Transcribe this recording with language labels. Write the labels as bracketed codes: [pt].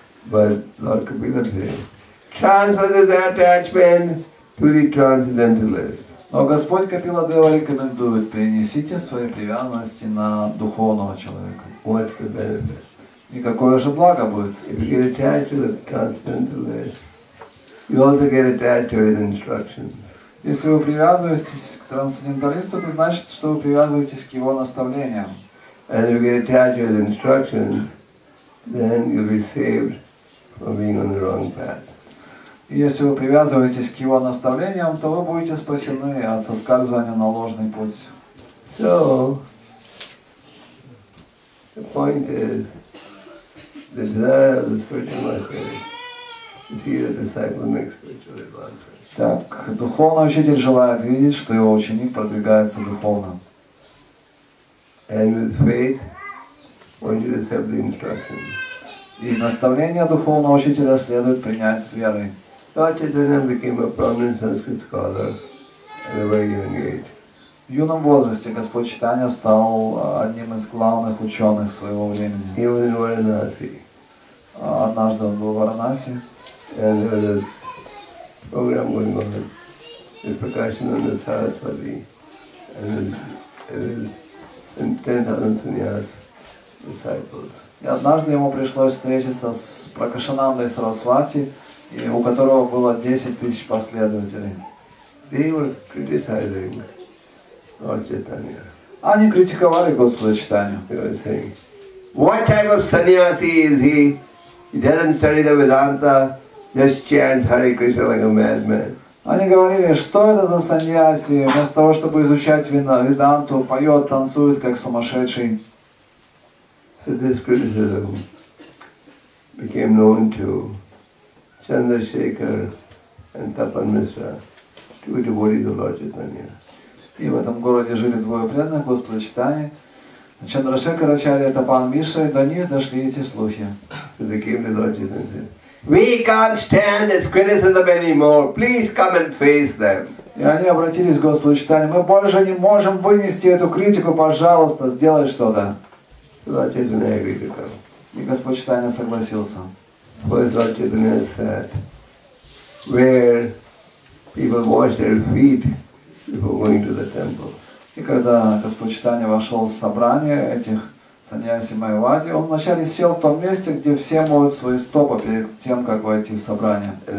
[en] But Lord Kapila says, transfer this attachment to the transcendentalist. [ru] Но Господь Капила Дева рекомендует, перенесите свои привязанности на духовного человека. [en] What's the benefit? [ru] И какое же благо будет? [en] If you get attached to the transcendentalist, you also get attached to his instructions. [ru] Если вы привязываетесь к трансценденталисту, это значит, что вы привязываетесь к его наставлениям. [en] And if you get attached to his instructions, then you'll be saved from being on the wrong path. [ru] И если вы привязываетесь к его наставлениям, то вы будете спасены от соскальзывания на ложный путь. [en] So, the point is, the desire of the spiritual master is here, the disciple makes spiritual advancement. [ru] Так, духовный учитель желает видеть, что его ученик продвигается духовно. [en] And with faith, one should accept the instruction. [ru] И наставление духовного учителя следует принять с верой. [en] Lord Chaitanya became a prominent Sanskrit scholar at a very young age. [ru] В юном возрасте Господь Чайтанья стал одним из главных ученых своего времени. [en] He was in Varanasi. [ru] Однажды он был в Варанаси. И однажды ему пришлось встретиться с Пракашанандой Сарасвати, у которого было 10 тысяч последователей. Они критиковали Господа Чайтанью. [en] What type of sannyasi is he? He doesn't study the Vedanta, just chants Hare Krishna like a madman. [ru] Они говорили, что это за саньяси, вместо того, чтобы изучать веданту, поет, танцует, как сумасшедший. [en] So this criticism became known to Chandrasekhar and Tapan Mishra, two devotees of Lord Chaitanya. [ru] И в этом городе жили двое преданных Господа Чайтаньи. Чандрашекар Ачарья, Тапан Миша, и до них дошли эти слухи. [en] So they came to Lord Chaitanya. We can't stand its criticism anymore. Please come and face them. [ru] И они обратились к Господу Чайтанье. Мы больше не можем вынести эту критику. Пожалуйста, сделай что-то. [en] Lord Chaitanya agreed to come. [ru] И Господь Чайтанья согласился. [en] First Lord Chaitanya said, where people wash their feet before going to the temple. [ru] И когда Господь Чайтанья вошел в собрание этих Саньяси Майвади, он вначале сел в том месте, где все моют свои стопы перед тем, как войти в собрание.